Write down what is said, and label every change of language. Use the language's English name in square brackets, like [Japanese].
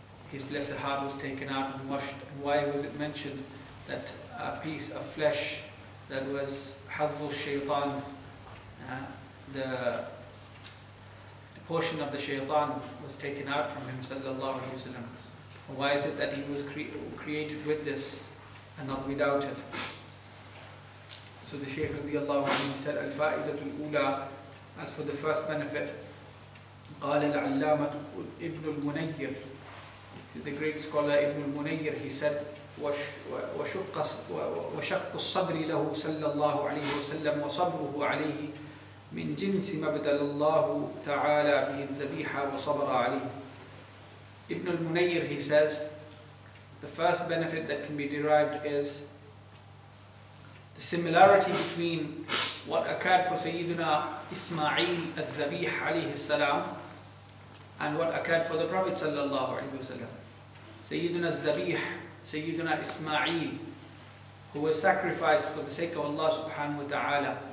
[English] his blessed heart was taken out and washed, and why was it mentioned that a piece of flesh that was hazzul shaytan, the portion of the shaytan was taken out from him sallallahu alayhi wa sallam. Why is it that he was created with this and not without it? So the Shaykh radiallahu anhu said, al-fa'idatul ula, as for the first benefit, [Arabic] قال العلامة ابن المنير, [English] the great scholar [Arabic] ابن المنير, he said, وشق الصدر له صلى الله عليه وسلم وصبره عليه من جنس مبدل الله تعالى به الذبيحة وصبر عليه. ابن المنير, he says, [English] The first benefit that can be derived is the similarity between what occurred for Sayyidina Ismail al-Zabih alayhi salam and what occurred for the Prophet sallallahu alayhi wa sallam. Sayyidina al-Zabih, Sayyidina Ismail, who was sacrificed for the sake of Allah subhanahu wa ta'ala.